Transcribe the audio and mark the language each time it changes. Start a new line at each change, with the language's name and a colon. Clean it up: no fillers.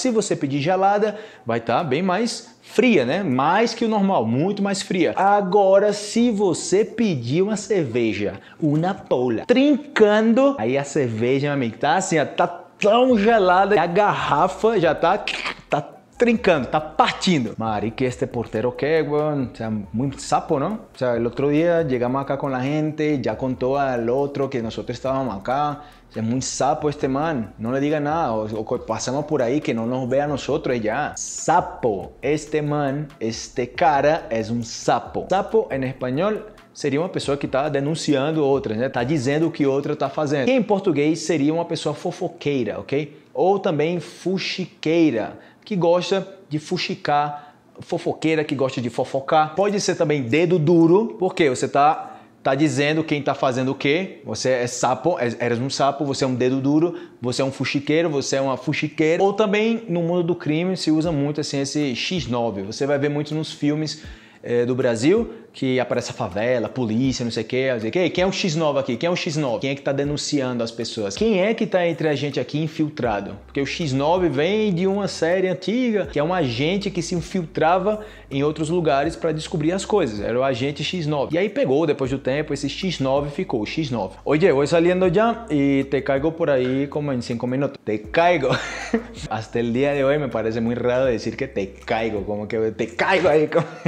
Portuguese: Se você pedir gelada, vai tá bem mais fria, né? Mais que o normal, muito mais fria. Agora, se você pedir uma cerveja, uma pola, trincando, aí a cerveja, meu amigo, tá assim, ó, tá tão gelada, a garrafa já tá trincando, tá partindo.
Spanish: Mari, que este portero que, weón, o sea, muy sapo, ¿no? O sea, el otro día llegamos acá con la gente, ya contó al otro que nosotros estábamos acá. Es muy sapo este man, no le diga nada, o pasamos por ahí que no nos vea a nosotros ya. Sapo, este man, este cara es un sapo. Sapo en español
Portuguese: seria uma pessoa que está denunciando outra, né? Está dizendo o que outra está fazendo. E em português seria uma pessoa fofoqueira, ok? Ou também fuxiqueira, que gosta de fuxicar, fofoqueira que gosta de fofocar. Pode ser também dedo duro, porque você tá dizendo quem está fazendo o quê. Você é sapo, eres um sapo, você é um dedo duro, você é um fuxiqueiro, você é uma fuxiqueira. Ou também no mundo do crime se usa muito assim, esse X9. Você vai ver muito nos filmes do Brasil, que aparece a favela, a polícia, não sei o que, quem é o X9 aqui? Quem é o X9? Quem é que tá denunciando as pessoas? Quem é que tá entre a gente aqui infiltrado? Porque o X9 vem de uma série antiga, que é um agente que se infiltrava em outros lugares para descobrir as coisas. Era o agente X9. E aí pegou, depois do tempo, esse X9 ficou o X9.
Spanish: Oye, voy saliendo ya y te caigo por ahí como en 5 minutos. Te caigo. Hasta el día de hoy me parece muy raro decir que te caigo, como que te caigo ahí como...